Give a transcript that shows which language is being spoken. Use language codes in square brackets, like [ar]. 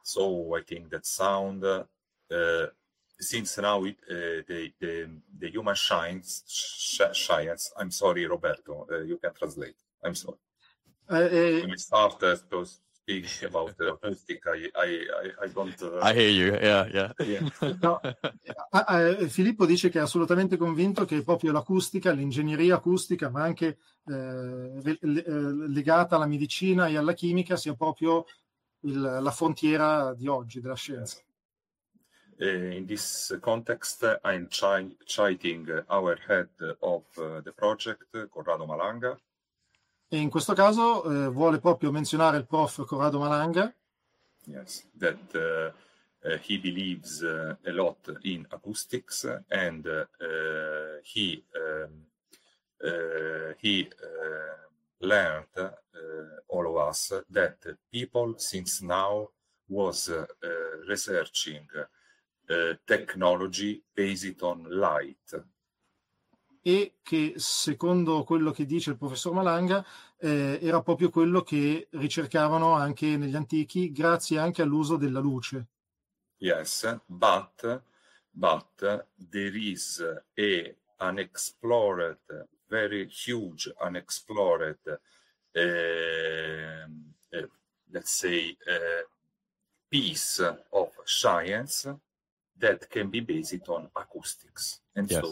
[en] So I think that sound, since now the human science, I'm sorry, Roberto, you can translate. I'm sorry. When we start to speak about the acoustic, I don't. I hear you. Yeah. [it] Filippo dice che è assolutamente convinto che proprio l'acustica, l'ingegneria acustica, ma anche legata alla medicina e alla chimica, sia proprio la frontiera di oggi della scienza. [en] In this context, I'm citing our head of the project, Corrado Malanga. [it] E in questo caso vuole proprio menzionare il prof Corrado Malanga. [en] Yes, that he believes a lot in acoustics, and learned all of us that people since now was researching technology based on light. [it] e che secondo quello che dice il professor Malanga, era proprio quello che ricercavano anche negli antichi, grazie anche all'uso della luce. [en] Yes, but there is unexplored, very huge unexplored, let's say, piece of science that can be based on acoustics, and so